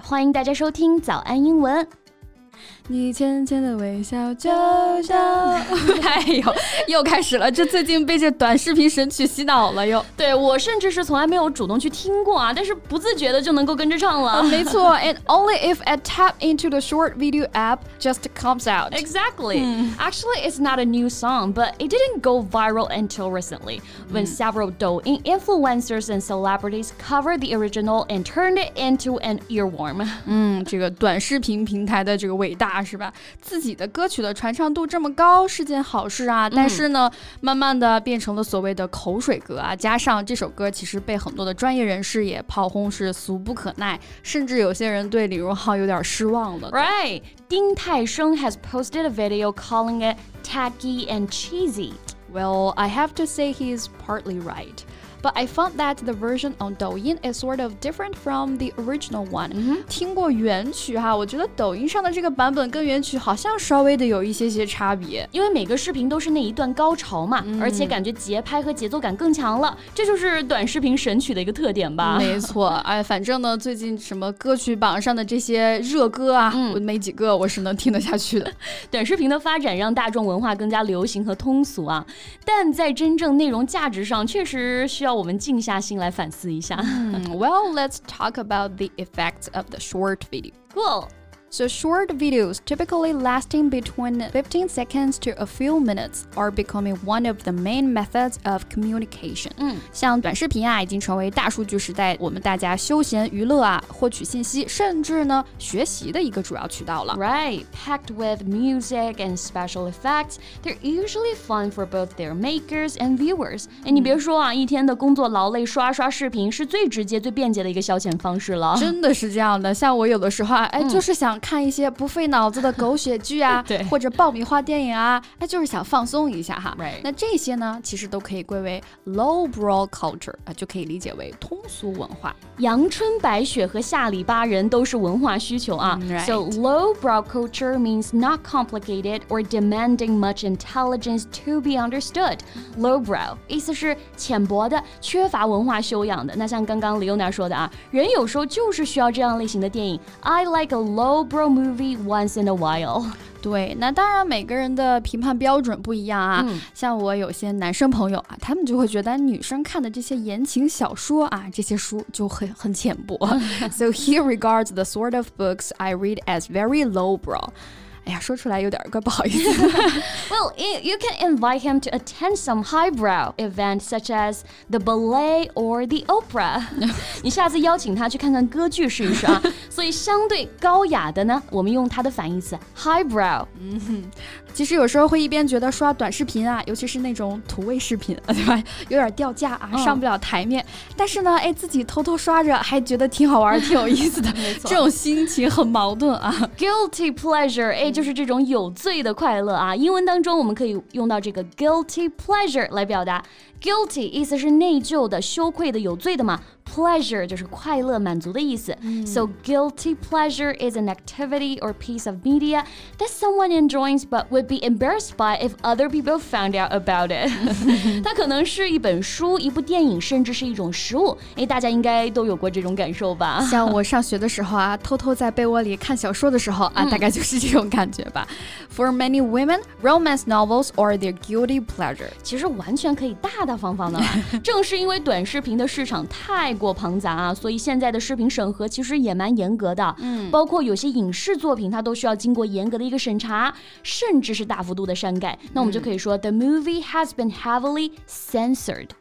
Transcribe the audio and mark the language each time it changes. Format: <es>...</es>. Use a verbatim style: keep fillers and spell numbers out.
<zh>欢迎大家收听早安英文。你浅浅的微笑就像哎呦，又开始了，这最近被这短视频神曲洗脑了又。对，我甚至是从来没有主动去听过啊，但是不自觉的就能够跟着唱了。哦、没错</zh> <en>，and only if I tap into the short video app just comes out. Exactly.、Mm. Actually, it's not a new song, but it didn't go viral until recently when、mm. several Douyin influencers and celebrities covered the original and turned it into an earworm.</en> <zh>嗯，这个短视频平台的这个伟大。是吧？自己的歌曲的传唱度这么高是件好事啊，但是呢、嗯、慢慢的变成了所谓的口水歌啊，加上这首歌其实被很多的专业人士也炮轰是俗不可耐，甚至有些人对李荣浩有点失望了。</zh> <en>Right, 丁太升 has posted a video calling it tacky and cheesy. Well, I have to say he is partly right. But I found that the version on Douyin is sort of different from the original one.、Mm-hmm.</en> <zh>听过原曲哈，我觉得抖音上的这个版本跟原曲好像稍微的有一些些差别，因为每个视频都是那一段高潮嘛、mm-hmm. 而且感觉节拍和节奏感更强了，这就是短视频神曲的一个特点吧。没错，哎，反正呢，最近什么歌曲榜上的这些热歌啊，嗯、我没几个我是能听得下去的。短视频的发展让大众文化更加流行和通俗啊，但在真正内容价值上确实需要。我们静下心来反思一下。</zh> <en>Mm, well, let's talk about the effects of the short video. Cool. So short videos, typically lasting between fifteen seconds to a few minutes, are becoming one of the main methods of communication.</en> <zh>嗯，像短视频啊，已经成为大数据时代我们大家休闲娱乐啊、获取信息，甚至呢学习的一个主要渠道了。</zh> <en>Right, packed with music and special effects, they're usually fun for both their makers and viewers.</en> <zh>哎，你别说啊，一天的工作劳累，刷刷视频是最直接、最便捷的一个消遣方式了。真的是这样的，像我有的时候啊，哎，就是想。看一些不费脑子的狗血剧啊或者爆米花电影啊，哎，就是想放松一下哈、</zh> <en>right.</en> <zh>那这些呢其实都可以归为 lowbrow culture、啊、就可以理解为通俗文化。阳春白雪和下里巴人都是文化需求啊、</zh> <en>right. So lowbrow culture means not complicated or demanding much intelligence to be understood.</en> <zh>Lowbrow 意思是浅薄的，缺乏文化修养的。那像刚刚Leona说的啊，人有时候就是需要这样类型的电影。</zh> <en>I like a lowbrow bro movie once in a while.</en> <zh>对，那当然每个人的评判标准不一样啊、嗯、像我有些男生朋友啊，他们就会觉得女生看的这些言情小说啊，这些书就很很浅薄。</zh> <en>So he regards the sort of books I read as very lowbrow.</en> <zh>哎呀，说出来有点怪不好意思。</zh> <en>Well, you can invite him to attend some highbrow event such as the ballet or the opera.</en> <zh>你下次邀请他去看看歌剧试一试啊。所以相对高雅的呢，我们用它的反义词 highbrow。嗯哼，其实有时候会一边觉得刷短视频啊，尤其是那种土味视频，对吧？有点掉价啊， oh. 上不了台面。但是呢，哎，自己偷偷刷着还觉得挺好玩、挺有意思的。没错，这种心情很矛盾啊。</zh> <en>Guilty pleasure， 哎。</en> <zh>就是这种有罪的快乐啊，英文当中我们可以用到这个 guilty pleasure 来表达。 guilty 意思是内疚的、羞愧的、有罪的嘛。Pleasure 就是快乐、满足的意思。 Mm.</zh> <en>So guilty pleasure is an activity or piece of media that someone enjoys but would be embarrassed by if other people found out about it.</en> <zh>它可能是一本书、一部电影，甚至是一种食物。哎，大家应该都有过这种感受吧？像我上学的时候啊，偷偷在被窝里看小说的时候啊， mm. 大概就是这种感觉吧。</zh> <en>For many women, romance novels are their guilty pleasure.</en> <zh>其实完全可以大大方方的。正是因为短视频的市场太过庞杂啊，所以现在的视频审核其实也蛮严格的、嗯、包括有些影视作品它都需要经过严格的一个审查，甚至是大幅度的删改、嗯、那我们就可以说</zh> <en>The movie has been heavily censored。</en>